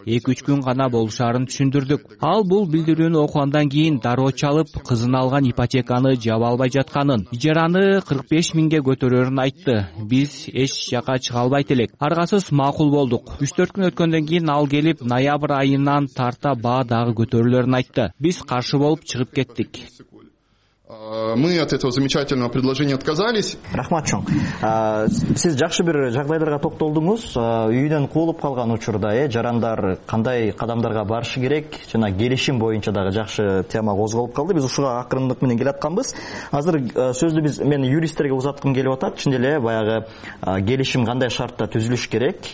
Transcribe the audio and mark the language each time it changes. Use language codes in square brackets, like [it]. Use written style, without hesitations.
[ky] 2-3 күн гана болушарын түшүндүрдүк. Ал бул билдирүүнү окугандан кийин дароо чалып, кызын алган ипотеканы жаба албай жатканын, ижараны 45 000 көтөрөрүн айтты. Биз эч жака чыга албайт элек. Аргасыз макул болдук. 3-4 күн өткөндөн кийин ал келип, ноябрь айынан тарта баа дагы көтөрүлөрүн айтты. Биз каршы болуп чыгып кеттик. [ru] Мы от этого замечательного предложения отказались. [ky] Рахмат чоң. Сиз жакшы бир жагдайларга токтолдуңуз. Үйүнөн куулуп калган учурда жарандар кандай кадамдарга барышы керек жана келишим боюнча дагы жакшы тема козголуп калды. Биз ушуга акырындык менен келатканбыз. Азыр сөздү биз мен юристтерге узаткым келип атат. Чын эле баягы келишим кандай шартта түзүлүш керек?